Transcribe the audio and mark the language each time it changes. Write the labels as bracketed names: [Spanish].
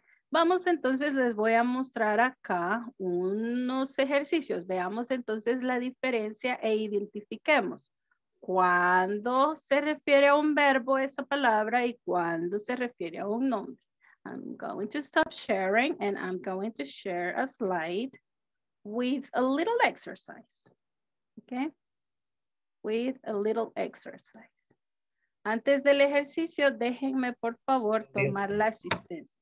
[Spanish] Vamos entonces, les voy a mostrar acá unos ejercicios. Veamos entonces la diferencia e identifiquemos. ¿Cuándo se refiere a un verbo esa palabra y cuándo se refiere a un nombre? [English] I'm going to stop sharing and I'm going to share a slide with a little exercise. Okay? With a little exercise. [Spanish] Antes del ejercicio, déjenme por favor tomar la asistencia.